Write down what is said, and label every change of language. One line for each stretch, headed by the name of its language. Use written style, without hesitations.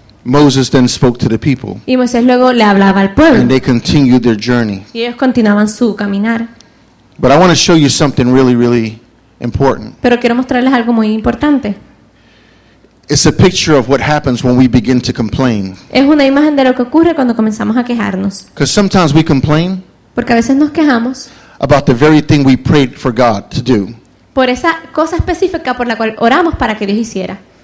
English: Moses then spoke to the people.
Spanish: Y Moisés luego le hablaba al pueblo.
English: And they continued their journey.
Spanish: Y ellos continuaban su caminar.
English: But I want to show you something really, really important.
Spanish: Pero quiero mostrarles algo muy importante.
English: It's a picture of what happens when we begin to complain.
Spanish: Es una imagen de lo que ocurre cuando comenzamos a quejarnos.
English: Because sometimes we complain.
Spanish: Porque a veces nos quejamos.
English: About the very thing we prayed for God to do.
Spanish: Por esa cosa específica por la cual oramos para que Dios hiciera.